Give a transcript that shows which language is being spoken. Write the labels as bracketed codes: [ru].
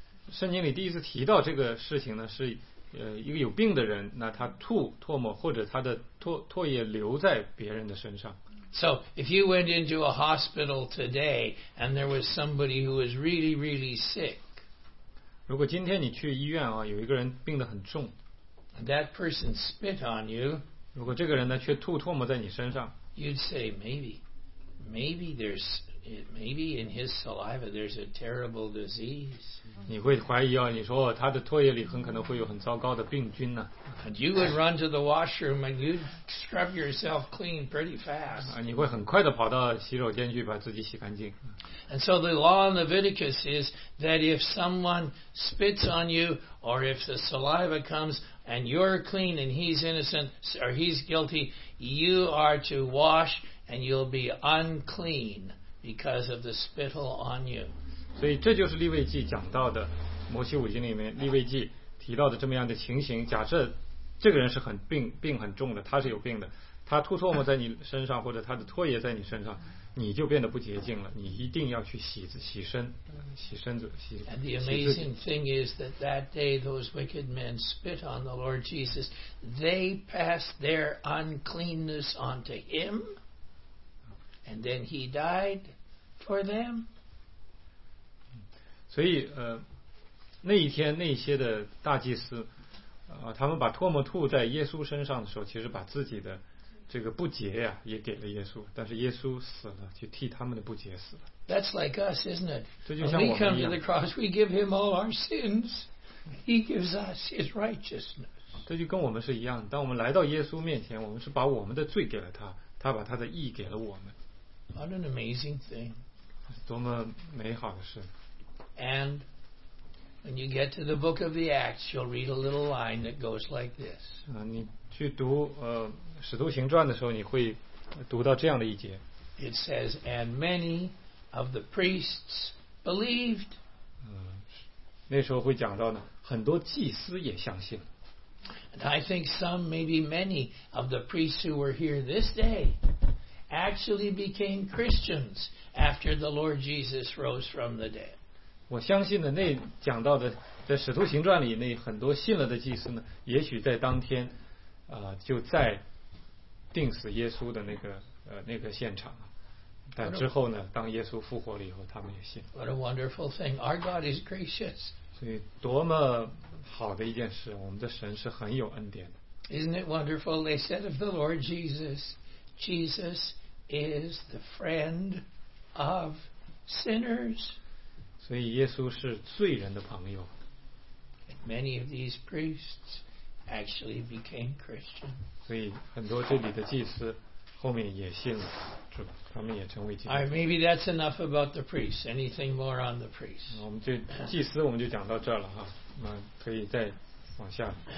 [zh] 圣经里第一次提到这个事情呢，是一个有病的人，那他吐唾沫或者他的唾液留在别人的身上。 [en] So if you went into a hospital today and there was somebody who was really, really sick, [zh] 如果今天你去医院啊，有一个人病得很重 [en] ，that person spit on you， [zh] 如果这个人呢却吐唾沫在你身上 [en] ，you'd say maybe there's maybe in his saliva there's a terrible disease. [zh] 你会怀疑啊，你说他的唾液里很可能会有很糟糕的病菌呢。 [en] And you would run to the washroom and you'd scrub yourself clean pretty fast. [zh] 你会很快的跑到洗手间去把自己洗干净。 [en] And so the law in Leviticus is that if someone spits on you or if the saliva comes and you're clean and he's innocent or he's guilty, you are to wash and you'll be unclean. Because of the spittle on you. [zh] 所以这就是利未记讲到的，摩西五经里面利未记提到的这么样的情形。假设这个人是很病很重的，他是有病的，他吐唾沫在你身上或者他的唾液在你身上，你就变得不洁净了。你一定要去洗身子。 [en] And the amazing thing is that that day those wicked men spit on the Lord Jesus. They passed their uncleanness onto him. And then he died for them. [zh] 所以那一天那些的大祭司他们把唾沫吐在耶稣身上的时候，其实把自己的这个不洁呀也给了耶稣，但是耶稣死了，就替他们的不洁死了。 [en] That's like us, isn't it? [zh] 这就像我们一样。 [en] When we come to the cross, we give him all our sins. He gives us his righteousness. [zh] 这就跟我们是一样，当我们来到耶稣面前，我们是把我们的罪给了他，他把他的义给了我们。 [en] What an amazing thing. [zh] 多么美好的事。 [en] And when you get to the book of the Acts, you'll read a little line that goes like this. [zh] 你去读使徒行传的时候，你会读到这样的一节。 [en] It says, and many of the priests believed. [zh] 那时候会讲到呢，很多祭司也相信。 [en] And I think some, maybe many of the priests who were here this day,actually became Christians after the Lord Jesus rose from the dead. [zh] 我相信的那讲到的在使徒行传里那很多信了的祭司呢，也许在当天就在钉死耶稣的那个现场，但之后呢当耶稣复活了以后他们也信。 [en] What a wonderful thing. Our God is gracious. [zh] 所以多么好的一件事，我们的神是很有恩典的。 [en] Isn't it wonderful? They said of the Lord Jesus is the friend of sinners. [zh] 所以耶稣是罪人的朋友。 [en] And many of these priests actually became Christian. [zh] 所以很多这里的祭司后面也信了，他们也成为祭司。 [en] Alright, maybe that's enough about the priests. Anything more on the priests? [zh] 我们就祭司我们就讲到这了哈，那可以再往下。